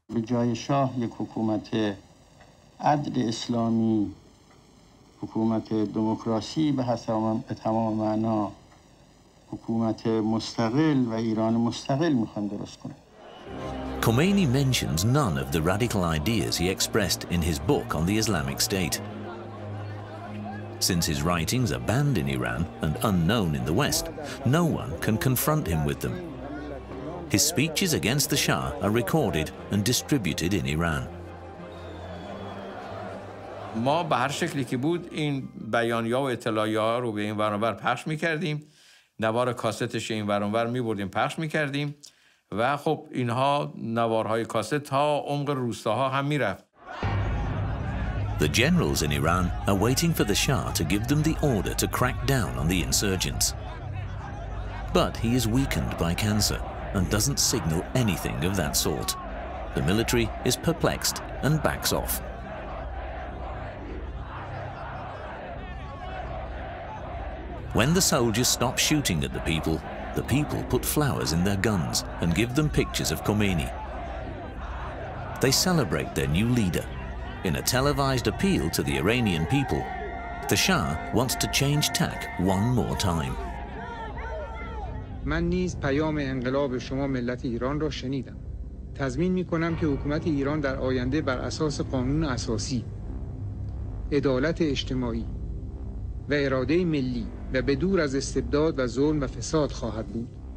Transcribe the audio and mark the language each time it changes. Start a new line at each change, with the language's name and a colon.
Persian: به جای شاه یک حکومت عدل اسلامی، حکومت دموکراسی به تمام معنا، حکومت مستقل و ایران مستقل میخوان درست کنه.
English: Khomeini mentions none of the radical ideas he expressed in his book on the Islamic State. Since his writings are banned in Iran and unknown in the West, no one can confront him with them. His speeches against the Shah are recorded and distributed in Iran.
Persian: ما به هر شکلی که بود این بیانیه و اطلاعیه رو به این ور اونور پخش می‌کردیم نوار کاستش این ور اونور می‌بردیم پخش می‌کردیم و خب اینها نوارهای کاست تا عمق روستاها هم می‌رفت.
English: The generals in Iran are waiting for the Shah to give them the order to crack down on the insurgents. But he is weakened by cancer and doesn't signal anything of that sort. The military is perplexed and backs off. When the soldiers stop shooting at the people put flowers in their guns and give them pictures of Khomeini. They celebrate their new leader. In a televised appeal to the Iranian people, the Shah wants to change tack one more time.
Persian: من نیز پیام انقلاب شما ملت ایران را شنیدم. تضمین می‌کنم که حکومت ایران در آینده بر اساس قانون اساسی، عدالت اجتماعی و اراده ملی و به دور از استبداد و ظلم و فساد خواهد بود.